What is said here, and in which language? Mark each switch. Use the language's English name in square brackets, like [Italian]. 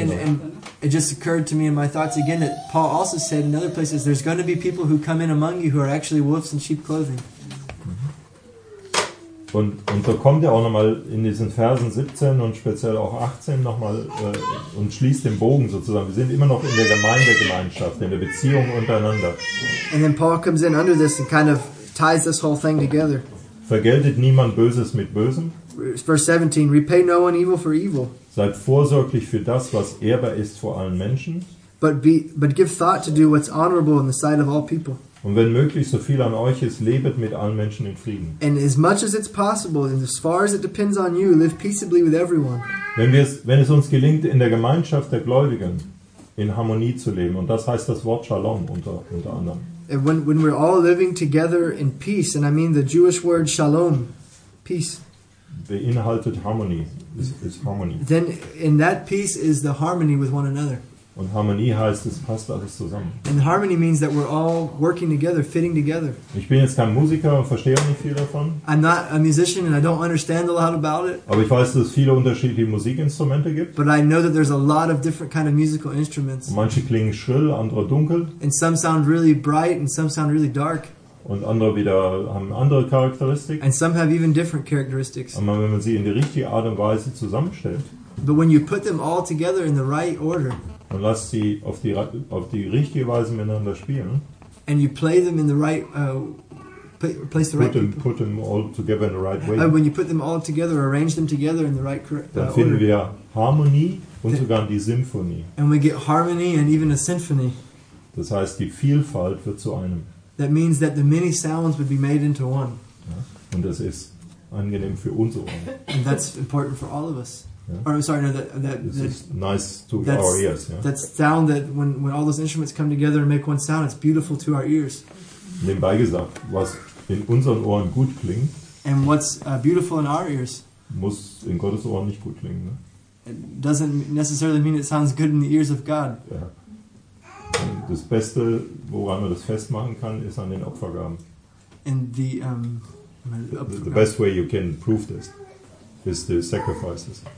[English] And it just occurred to me in my thoughts again that Paul also said in other places, there's going to be people who come in among you who are actually wolves in sheep clothing. [German] Und so kommt er auch nochmal in diesen Versen 17 und speziell auch 18 nochmal und schließt den Bogen sozusagen. Wir sind immer noch in der Gemeindegemeinschaft, in der Beziehung untereinander. [English] And then Paul comes in under this and kind of ties this whole thing together. [German] Vergeltet niemand Böses mit Bösem. [English] Verse 17, repay no one evil for evil. [German] Seid vorsorglich für das, was ehrbar ist vor allen Menschen. [English] But give thought to do what's honorable in the sight of all people. [German] Und wenn möglich, so viel an euch ist, lebet mit allen Menschen in Frieden. [English] And as much as it's possible, and as far as it depends on you, live peaceably with everyone. [German] Wenn es uns gelingt, in der Gemeinschaft der Gläubigen in Harmonie zu leben, und das heißt das Wort Shalom unter anderem. [English] And when we're all living together in peace, and I mean the Jewish word Shalom, peace. [German] Beinhaltet Harmonie. [English] Is harmony. Then in that peace is the harmony with one another. [German] Und Harmonie heißt, es passt alles zusammen. [English] And harmony means that we're all working together, fitting together. [German] Ich bin jetzt kein Musiker und verstehe auch nicht viel davon. [English] I'm not a musician and I don't understand a lot about it. [German] Aber ich weiß, dass es viele unterschiedliche Musikinstrumente gibt. [English] But I know that there's a lot of different kind of musical instruments. [German] Und manche klingen schrill, andere dunkel. [English] And some sound really bright and some sound really dark. [German] Und andere wieder haben andere Charakteristik. [English] And some have even different characteristics. [German] Aber wenn man sie in die richtige Art und Weise zusammenstellt. [English] But when you put them all together in the right order. [German] Und lass sie auf die richtige Weise miteinander spielen. [English] And you play them in the right place the put right them, people. Put them all together in the right way. When you put them all together, arrange them together in the right correct [German] order. Dann finden wir Harmonie und sogar die Symphonie. [English] And we get harmony and even a symphony. [German] Das heißt, die Vielfalt wird zu einem. [English] That means that the many sounds would be made into one. [German] Ja, und das ist angenehm für uns Ohren. [English] And that's important for all of us. Yeah. Or I'm sorry, no, that's our ears. Yeah. That sound that when all those instruments come together and make one sound, it's beautiful to our ears. [German] Nebenbei gesagt, was in unseren Ohren gut klingt, [English] and what's beautiful in our ears, [German] muss in Gottes Ohren nicht gut klingen. Ne? [English] It doesn't necessarily mean it sounds good in the ears of God. Yeah. [German] Das Beste, woran man das festmachen kann, ist an den Opfergaben. [English] And the best way you can prove this is the sacrifices.